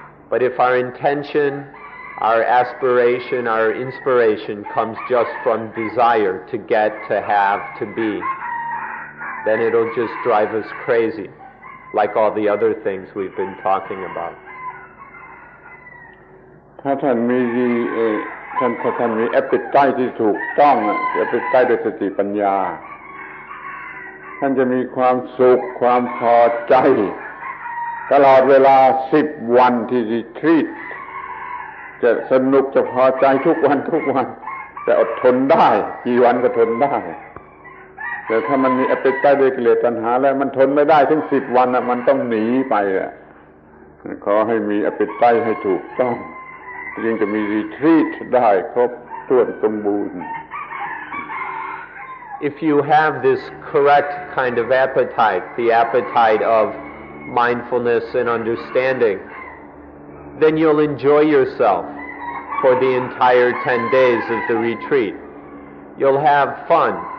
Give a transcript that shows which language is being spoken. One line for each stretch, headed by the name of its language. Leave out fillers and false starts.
English: But if our intention, our aspiration, our inspiration comes just from desire to get, to have, to be, then it'll just drive us crazy, like all the other things we've been talking about.
Thai: ถ้าท่านมี ท่านมีแอปเปิลไตที่ถูกต้องแอปเปิลไตด้วยสติปัญญาท่านจะมีความสุขความพอใจ ตลอดเวลา10วันที่รีทรีตจะสนุกจะพอใจทุกวันจะอดทนได้กี่วันก็ทนได้แต่ถ้ามันมีแอปเปิลไตด้วยกิเลสตัณหาแล้วมันทนไม่ได้ถึง10วันน่ะมันต้องหนีไปอ่ะขอให้มีแอปเปิลไตให้ถูกต้องจึงจะมีรีทรีตได้ครบถ้วนสมบูรณ์
English: If you have this correct kind of appetite, the appetite of mindfulness and understanding, then you'll enjoy yourself for the entire 10 days of the retreat. You'll have fun.